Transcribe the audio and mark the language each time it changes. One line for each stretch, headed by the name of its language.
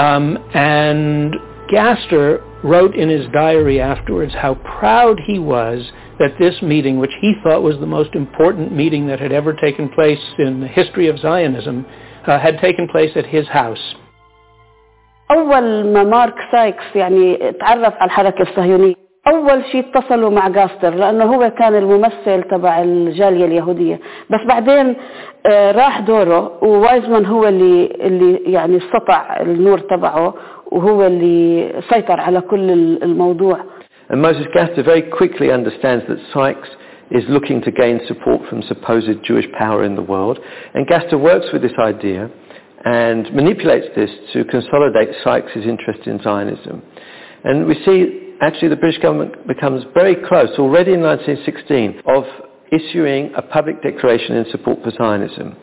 English: And Gaster wrote in his diary afterwards how proud he was that this meeting, which he thought was the most important meeting that had ever taken place in the history of Zionism, had taken place at his house.
Arabic: أول ما مارك سايكس يعني تعرف على الحركة الصهيونية أول شيء اتصلوا مع غاستر لأنه هو كان الممثل تبع الجالية اليهودية بس بعدين راح دوره ووايزمان هو اللي يعني استطع النور تبعه وهو اللي سيطر على كل الموضوع.
English: And Moses Gaster very quickly understands that Sykes is looking to gain support from supposed Jewish power in the world. And Gaster works with this idea and manipulates this to consolidate Sykes' interest in Zionism. And we see, actually, the British government becomes very close, already in 1916, of issuing a public declaration in support for Zionism.